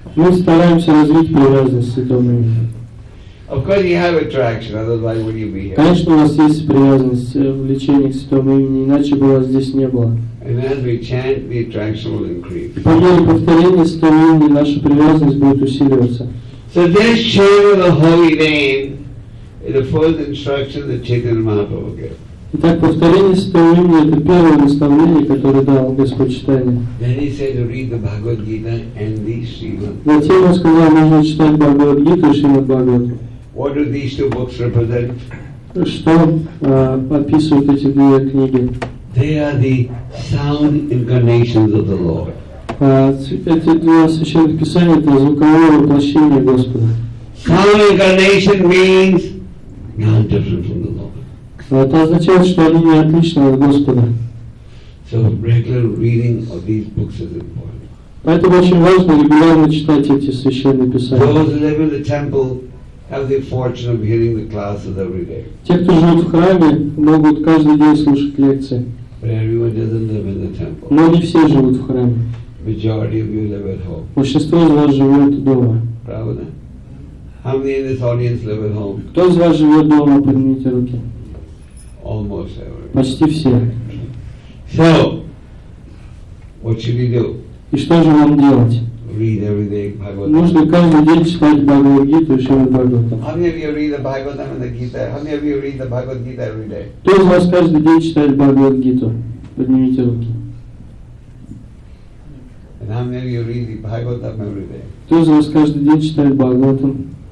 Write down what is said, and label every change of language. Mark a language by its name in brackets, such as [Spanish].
[Russian] Мы стараемся развить привязанность к Святому Имени. [English] Of course you have attraction, otherwise would you be here? [Russian] Конечно, у вас есть привязанность, влечение к Святому Имени, иначе бы вас здесь не было. [English] And as we chant, the attraction will increase. [Russian] По мере повторения Святого Имени наша привязанность будет усиливаться. [English] So this chanting of the Holy Name is the first instruction that Chaitanya Mahaprabhu gave. [Russian] Итак, повторение Святого Имени — это первое наставление, которое дал Господь Читания. [English] Then he said to read the Bhagavad Gita and the Srimad. [Russian] Затем он сказал, нужно читать Бхагавад Гиту и Шримад Бхагавату. [English] What do these two books represent? [Russian] Что описывают эти две книги? [English] They are the sound incarnations of the Lord. [Russian] Эти два священных писания — это звуковое воплощение Господа. [English] Sound incarnation means not different from the Lord. [Russian] Это означает, что они не отличны от Господа. [English] So regular reading of these books is important. [Russian] Поэтому очень важно регулярно читать эти священные писания. [English] Those who live in the temple have the fortune of hearing the classes every day. [Russian] Те, кто живут в храме, могут каждый день слушать лекции. [English] But everyone doesn't live in the temple. [Russian] Но не все живут в храме. [English] Majority of you live at home. [Russian] Большинство из вас живет дома. Правда? [English] How many in this audience live at home? [Russian] Кто из вас живет дома? Поднимите руки. [English] Almost everyone. [Russian] Почти все. [English] So, what should we do? [Russian] И что же вам делать? [English] Read every day Bhagavatam. [Russian] Нужно каждый день читать Бхагавад-гиту и Шримад-Бхагаватам. [English] How many of you read the Bhagavatam and the Gita? How many of you read the Bhagavad-гита every day? [Russian] Кто из вас каждый день читает Бхагавад-гиту? Поднимите руки. [English] And how many of you read the Bhagavatam every day? [Russian] Кто из вас каждый день читает Бхагавад-гиту?